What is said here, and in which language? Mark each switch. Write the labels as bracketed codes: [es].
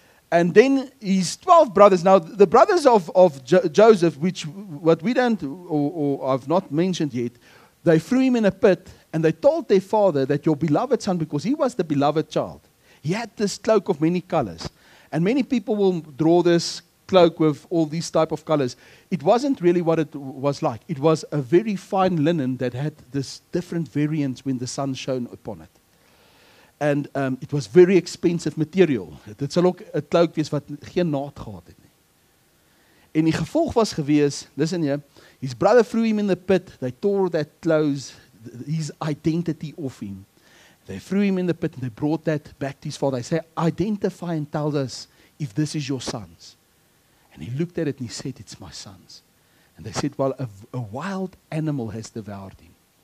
[en] And then his 12 brothers, now the brothers of Joseph, I've not mentioned yet, they threw him in a pit and they told their father that your beloved son, because he was the beloved child, he had this cloak of many colors. And many people will draw this cloak with all these type of colors. It wasn't really what it was like. It was a very fine linen that had this different variants when the sun shone upon it. And it was very expensive material. [af] Dit sal ook 'n cloak wees wat geen naad gehad het nie. En die gevolg was gewees, [en] listen here, his brother threw him in the pit, they tore that clothes, his identity off him. They threw him in the pit and they brought that back to his father. They say, identify and tell us if this is your sons. And he looked at it and he said, it's my sons. And they said, well, a wild animal has devoured him.